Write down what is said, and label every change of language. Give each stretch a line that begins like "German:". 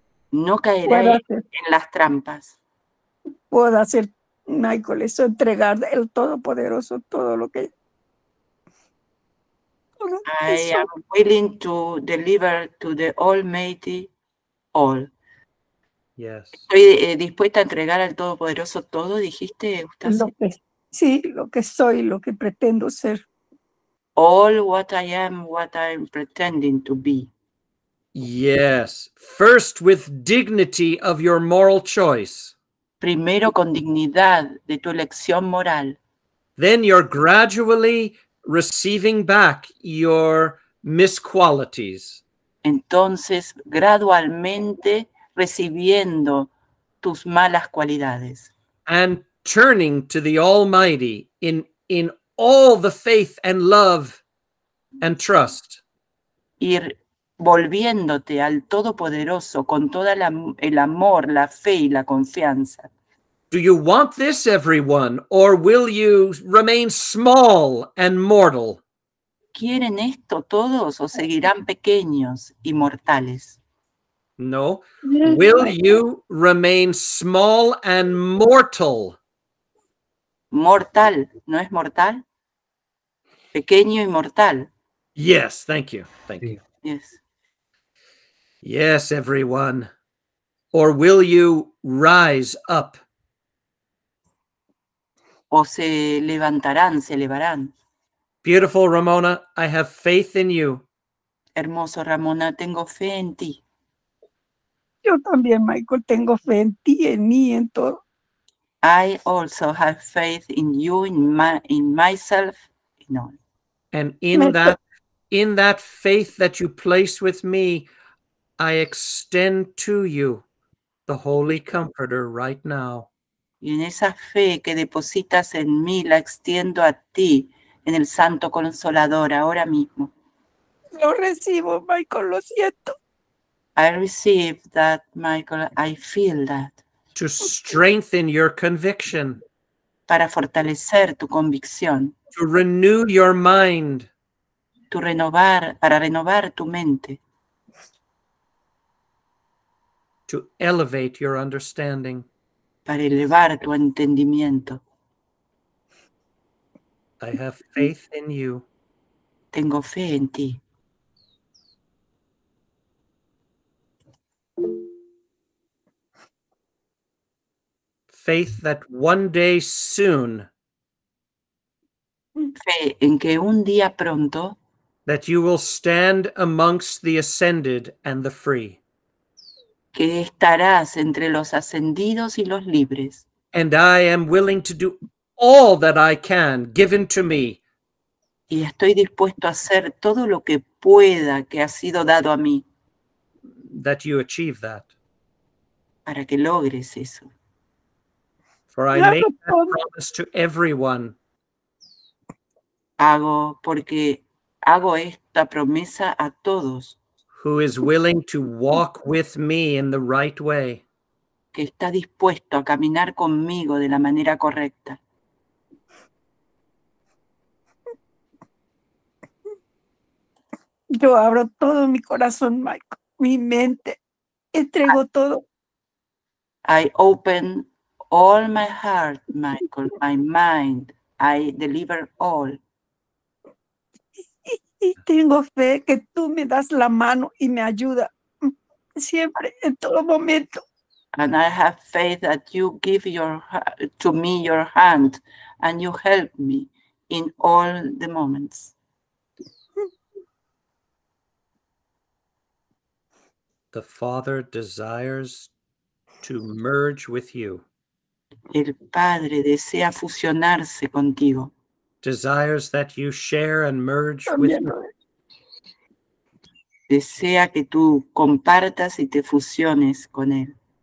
Spanish: No caeré en las trampas. Puedo hacer, Michael, eso, entregar al Todopoderoso todo lo que...
English: I am willing to deliver to the Almighty all. Yes.
Spanish: Estoy dispuesta a entregar al Todopoderoso todo, dijiste, Eustacia. Sí, lo que soy, lo que pretendo ser.
English: All what I am, what I'm pretending to be. Yes. First with dignity of your moral choice.
Spanish: Primero con dignidad de tu elección moral.
English: Then you're gradually receiving back your misqualities.
Spanish: Entonces, gradualmente recibiendo tus malas cualidades.
English: And turning to the Almighty in all the faith and love and trust.
Spanish: Ir volviéndote al Todopoderoso con toda el amor, la fe y la confianza.
English: Do you want this, everyone, or will you remain small and mortal?
Spanish: ¿Quieren esto todos o seguirán pequeños y mortales?
English: No. Will you remain small and mortal?
Spanish: Mortal, ¿no es mortal? Pequeño y mortal.
English: Yes, thank you. Thank you. Yes. Yes, everyone. Or will you rise up?
Spanish: O se levantarán, se elevarán.
English: Beautiful Ramona, I have faith in you.
Spanish: Hermoso Ramona, tengo fe en ti. Yo también, Michael, tengo fe en ti, en mí, en todo.
English: I also have faith in you, in myself, in all. And in that faith that you place with me, I extend to you the Holy Comforter right now.
Spanish: Y en esa fe que depositas en mí, la extiendo a ti, en el Santo Consolador, ahora mismo. Lo recibo, Michael, lo siento.
English: I receive that, Michael, I feel that. To strengthen your conviction.
Spanish: Para fortalecer tu convicción.
English: To renew your mind.
Spanish: Para renovar tu mente.
English: To elevate your understanding.
Spanish: Para elevar tu entendimiento.
English: I have faith in you.
Spanish: Tengo fe en ti.
English: Faith that one day soon.
Spanish: Fe en que un día pronto.
English: That you will stand amongst the ascended and the free.
Spanish: Que estarás entre los ascendidos y los libres.
English: And I am willing to do all that I can, given to me.
Spanish: Y estoy dispuesto a hacer todo lo que pueda que ha sido dado a mí.
English: That you achieve that.
Spanish: Para que logres eso.
English: For I make that promise to everyone.
Spanish: Hago esta promesa a todos.
English: Who is willing to walk with me in the right way.
Spanish: Que está dispuesto a caminar conmigo de la manera correcta. Yo abro todo mi corazón, Michael, mi mente, entrego todo.
English: I open all my heart, Michael, my mind, I deliver all.
Spanish: Y tengo fe que tú me das la mano y me ayuda siempre, en todo momento.
English: And I have faith that you give to me your hand and you help me in all the moments. The Father desires to merge with you.
Spanish: El Padre desea fusionarse contigo.
English: Desires that you share and merge with him.
Spanish: Desea que tú compartas y te fusiones con él.